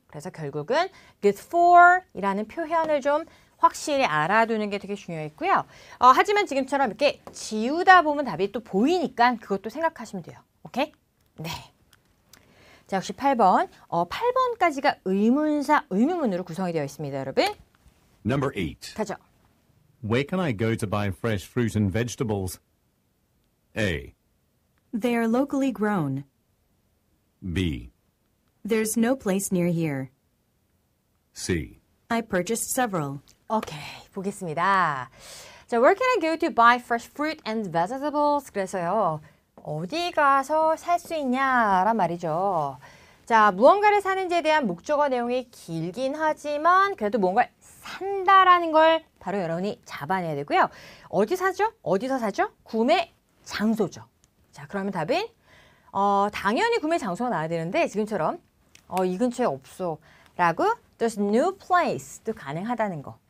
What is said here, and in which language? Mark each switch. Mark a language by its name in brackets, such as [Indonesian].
[Korean] 그래서 결국은 good for이라는 표현을 좀 확실히 알아두는 게 되게 중요했고요. 하지만 지금처럼 이렇게 지우다 보면 답이 또 보이니까 그것도 생각하시면 돼요. 오케이? 네. 자, 역시 8번. 8번까지가 의문사, 의문문으로 구성이 되어 있습니다, 여러분. [English] Number 8. [Korean] 가죠. [English] Where can I go to buy fresh fruit and vegetables? A. They are locally grown. B. There's no place near here. C. I purchased several. [Korean] 오케이, 보겠습니다. [English] 자, where can I go to buy fresh fruit and vegetables? [Korean] 그래서요, 어디 가서 살 수 있냐란 말이죠. 자, 무언가를 사는지에 대한 목적어 내용이 길긴 하지만 그래도 뭔가 산다라는 걸 바로 여러분이 잡아내야 되고요. 어디 사죠? 어디서 사죠? 구매 장소죠. 자, 그러면 답은 당연히 구매 장소가 나와야 되는데 지금처럼 이 근처에 없어 라고 [English] there's no place [Korean] 도 가능하다는 거.